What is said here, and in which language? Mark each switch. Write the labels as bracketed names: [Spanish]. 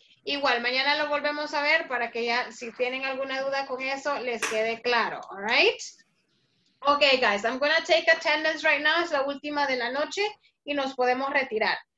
[Spanish] Igual, mañana lo volvemos a ver para que ya, si tienen alguna duda con eso, les quede claro. [English] All right? Okay, guys, I'm going to take attendance right now. [Spanish] Es la última de la noche y nos podemos retirar.